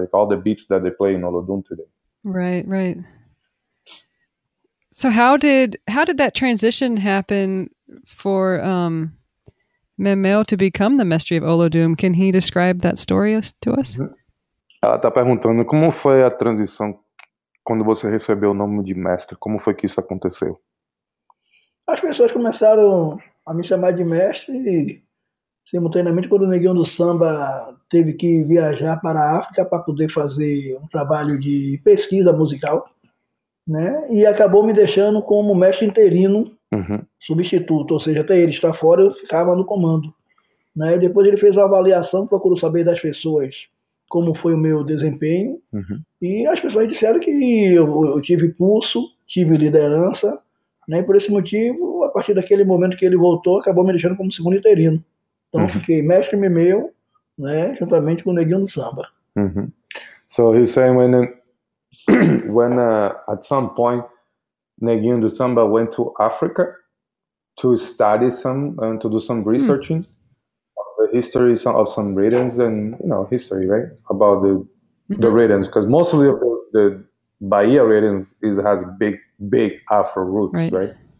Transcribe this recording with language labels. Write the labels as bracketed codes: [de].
[en] Like all the beats that they play in Olodum today. Right, right. So how did that transition happen for Memeu to become the Mestre of Olodum? Can he describe that story to us? [pt] Ela está perguntando como foi a transição quando você recebeu o nome de mestre. Como foi que isso aconteceu? As pessoas começaram a me chamar de mestre simultaneamente quando o Neguinho do Samba teve que viajar para a África para poder fazer um trabalho de pesquisa musical. Né? E acabou me deixando como mestre interino, uhum, substituto, ou seja, até ele estar fora, eu ficava no comando. Né? E depois ele fez uma avaliação, procurou saber das pessoas como foi o meu desempenho, uhum, e as pessoas disseram que eu tive pulso, tive liderança, né? E por esse motivo, a partir daquele momento que ele voltou, acabou me deixando como segundo interino. Então, uhum, eu fiquei mestre Memeu, né, juntamente com o Neguinho do Samba. Então, ele disse que [en] when at some point Neguinho do Samba went to Africa to study some and to do some researching, mm, of the history of some rhythms and, you know, history, right, about the, mm-hmm, the rhythms, because mostly the Bahia rhythms has big Afro roots, right?